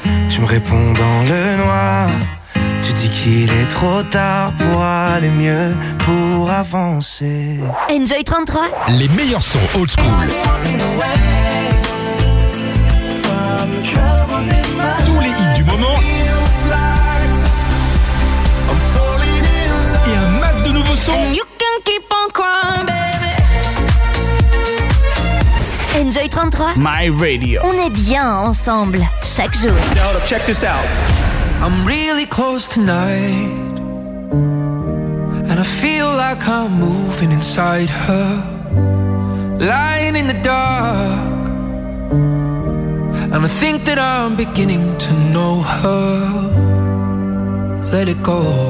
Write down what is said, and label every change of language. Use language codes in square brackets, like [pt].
[fr] tu me réponds dans le noir. Tu dis qu'il est trop tard pour aller mieux, pour avancer. [en] Enjoy 33, [fr] les meilleurs sons old school. Tous les hits du moment. Et un max de nouveaux sons. [en] And you can keep on crying, baby. Enjoy 33, My Radio. [fr] On est bien ensemble chaque jour. [en] Check this out. I'm really close tonight, and I feel like I'm moving inside her. Lying in the dark, and I think that I'm beginning to know her. Let it go.